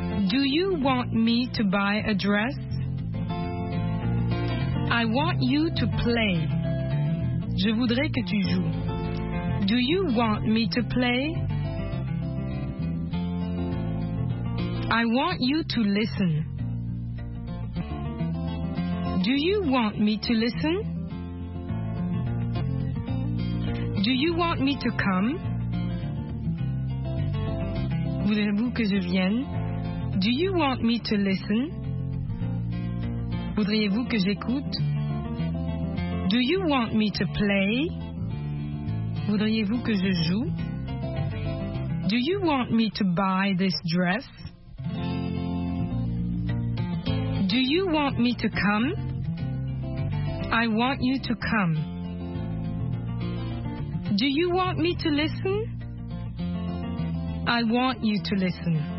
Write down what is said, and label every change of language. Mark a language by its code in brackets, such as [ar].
[en] Do you want me to buy a dress? I want you to play. [fr] Je voudrais que tu joues. [en] Do you want me to play? I want you to listen. Do you want me to listen? Do you want me to come? [fr] Voudrez-vous que je vienne? [en] Do you want me to listen? [fr] Voudriez-vous que j'écoute? [en] Do you want me to play? [fr] Voudriez-vous que je joue? [en] Do you want me to buy this dress? Do you want me to come? I want you to come. Do you want me to listen? I want you to listen.